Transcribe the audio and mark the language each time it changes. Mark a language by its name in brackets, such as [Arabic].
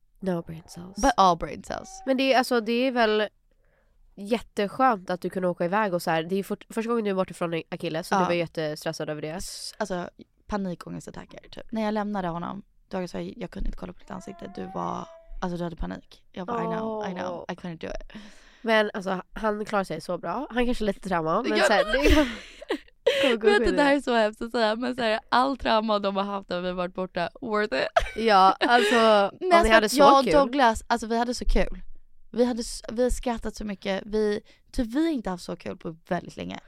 [English] No brain cells. But all brain cells. [Swedish] Men det är, alltså, det är väl, jätteskönt att du kunde åka iväg och så här. Det är första gången du är borta från Achilles, så ja, du var jättestressad över det. Alltså panikångestattacker typ. När jag lämnade honom, då sa jag, jag kunde inte kolla på ditt ansikte. Du var, alltså du hade panik. Jag bara, [English] I know, I couldn't do it. [Swedish] Men alltså, han klarar sig så bra. Han kanske är lite trauma, men ja, såhär. Vet du, det här är så hemskt att säga, men såhär, all trauma de har haft när vi varit borta, [English] worth it. [Swedish] Ja, alltså, men alltså, hade så jag och kul. Douglas, alltså vi hade så kul. Vi har skrattat så mycket. Vi har inte haft så kul på väldigt länge.